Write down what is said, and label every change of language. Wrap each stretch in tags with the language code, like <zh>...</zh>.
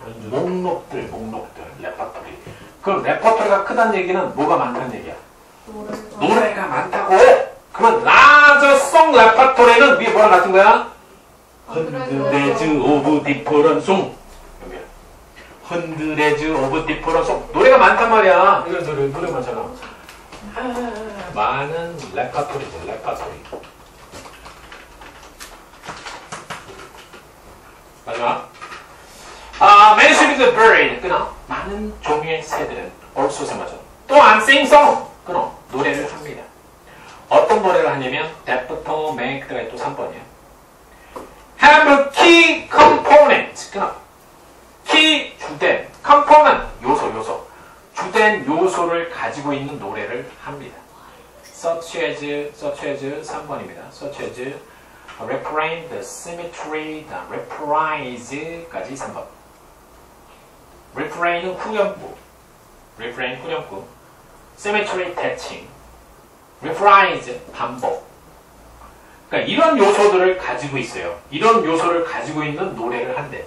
<ko>목록들 레퍼토리. 그럼 레퍼토리가 크다는 얘기는 뭐가 많다는 얘기야? 노래가 많다고. 그럼 라저 송 레퍼토리는 위에 뭐랑 같은 거야?</ko> <en>Hundreds of different songs. Hundreds of different songs.</en> <ko>노래가 많단 말이야. 이런 노래 많잖아. 많은 레퍼토리죠, 레퍼토리. 마지막.</ko> <en>Many species of bird.</en> <ko>끊어. 많은 종의 새들은 also 생각하죠. 또한</ko> <en>sing song.</en> <ko>끊어. 노래를 합니다. 어떤 노래를 하냐면, 때부터 맨 끝에 또 3번이에요.</ko> <en>Have a key component.</en> <ko>키 주된 component 요소 주된 요소를 가지고 있는 노래를 합니다.</ko> <en>Such as</en> <ko>3번입니다.</ko> <en>Such as refrain, the symmetry, the reprise까지 3번.</en> <ko>Refrain 후렴구. Symmetry 대칭. Reprise 반복. 그러니까 이런 요소들을 가지고 있어요. 이런 요소를 가지고 있는 노래를 한대.</ko>